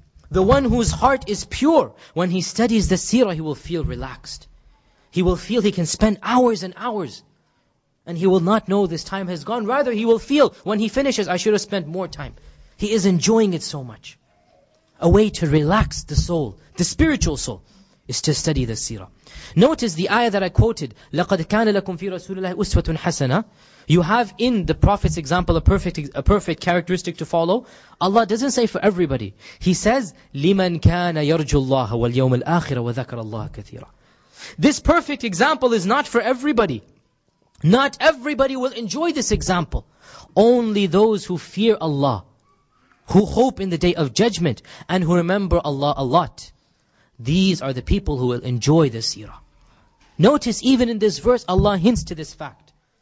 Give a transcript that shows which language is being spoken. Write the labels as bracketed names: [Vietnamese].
[English] The one whose heart is pure, when he studies the seerah, he will feel relaxed. He will feel he can spend hours and hours, and he will not know this time has gone. Rather, he will feel when he finishes, I should have spent more time. He is enjoying it so much. A way to relax the soul, the spiritual soul, is to study the seerah. Notice the ayah that I quoted, [Arabic] لَقَدْ كَانَ لَكُمْ فِي رَسُولِ اللَّهِ أُسْوَةٌ حَسَنَةٌ. [English] You have in the Prophet's example a perfect characteristic to follow. Allah doesn't say for everybody. He says, [Arabic] لِمَنْ كَانَ يَرْجُ اللَّهَ وَالْيَوْمِ الْآخِرَ وَذَكَرَ اللَّهَ كَثِيرًا. [English] This perfect example is not for everybody. Not everybody will enjoy this example. Only those who fear Allah, who hope in the day of judgment, and who remember Allah a lot. These are the people who will enjoy the seerah. Notice even in this verse, Allah hints to this fact.